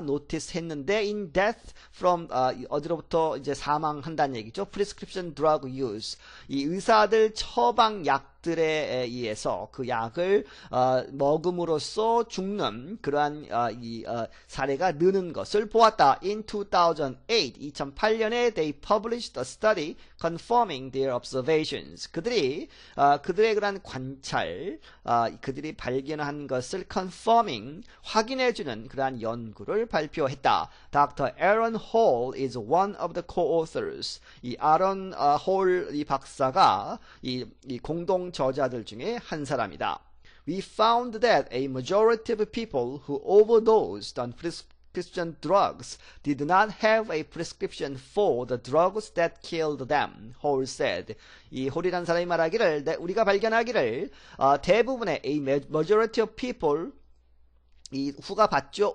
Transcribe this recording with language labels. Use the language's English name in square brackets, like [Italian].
[Korean] notice 했는데, [English] in death from, [Korean] 어디로부터 이제 사망한다는 얘기죠. [English] prescription drug use. [Korean] 이 의사들 처방약 들에 의해서 그 약을 먹음으로써 죽는 그러한 사례가 느는 것을 보았다. [English] In 2008, [Korean] 2008년에 [English] they published a study confirming their observations. [Korean] 그들이 그들의 그러한 관찰, 그들이 발견한 것을 confirming 확인해주는 그러한 연구를 발표했다. Dr. [English] Aaron Hall is one of the co-authors. [Korean] 이 아론 홀이 박사가 이 공동 저자 들 중에 한 사람이다. [English] We found that a majority of people who overdosed on prescription drugs did not have a prescription for the drugs that killed them, Hall said. [Korean] 이 홀이라는 사람이 말하기를 우리가 발견하기를 대부분의 [English] a majority of people [Korean] 이 후가 봤죠.